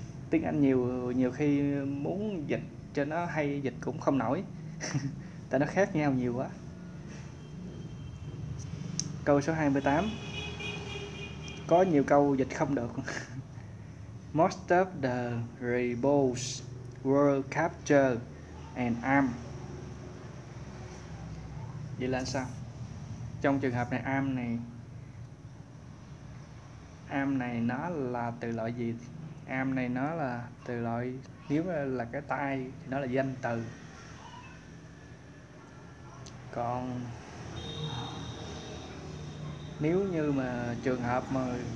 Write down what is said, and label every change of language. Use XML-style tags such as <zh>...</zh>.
<vi>Tiếng Anh nhiều khi muốn dịch cho nó hay dịch cũng không nổi. Tại nó khác nhau nhiều quá. Câu số 28. Có nhiều câu dịch không được.</vi> <en>Most of the rebels were captured and armed.</en> <vi>Vậy là sao? Trong trường hợp này arm này nó là từ loại gì? Arm này nó là từ loại, nếu là cái tay thì nó là danh từ. Còn nếu như mà trường hợp mà</vi>